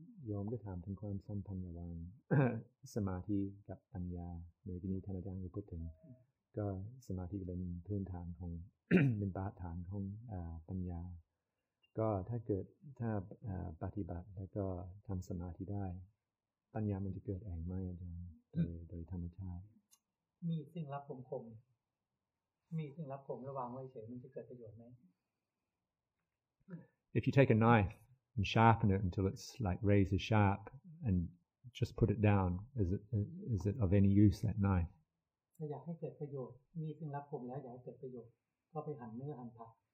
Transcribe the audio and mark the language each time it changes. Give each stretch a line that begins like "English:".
Thai: ยอมก็ถามถึงความสัมพันธ์ระหว่างสมาธิกับปัญญาเมื่อกี้นี้ท่านอาจารย์ก็พูดถึงก็สมาธิเป็นพื้นฐานของ เป็นบาตรฐานของปัญญาก็ถ้าเกิดถ้าปฏิบัติแล้วก็ทำสมาธิได้ปัญญามันจะเกิดเองไหมอาจารย์โดยธรรมชาติ มีสิ่งลับคมๆมีสิ่งลับคมระวังไว้เฉยมันจะเกิดประโยชน์ไหม
English: If you take a knife and sharpen it until it's like razor sharp and just put it down, is it of any use that knife?
Thai: ถ้าอยากให้เกิดประโยชน์มีสิ่งลับคมแล้วอยากให้เกิดประโยชน์ก็ไปหั่นเนื้อหั่นผัก